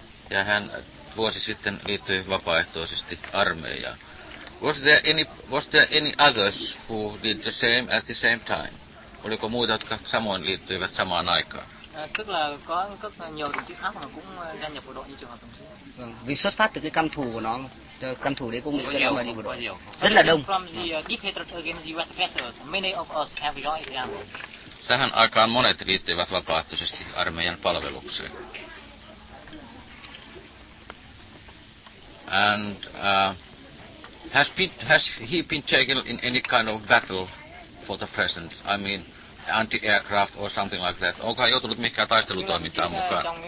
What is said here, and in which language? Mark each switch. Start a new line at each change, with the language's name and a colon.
Finnish: ja hän vuosi sitten liittyi vapaaehtoisesti armeijaan.
English: Was there any others who did the same at the same time?
Finnish: Oliko muita, jotka samoin liittyivät samaan aikaan?
Vietnamese: Tức là có rất nhiều đồng chí khác mà cũng gia nhập bộ đội như trường hợp đồng chí. Vì xuất phát từ cái căm thù của nó, căm thù đấy cũng bị xuất phát đi bộ đội. Rất là đông.
English: From the deep hatred against US officers, many of us have joined the army.
Finnish: Tähän aikaan monet liittyivät vapaaehtoisesti armeijan palvelukseen.
English: And has he been taken in any kind of battle for the present? I mean, anti-aircraft or something like that.
Finnish: Onko hän joutunut mihinkään taistelutoimintaan mukaan?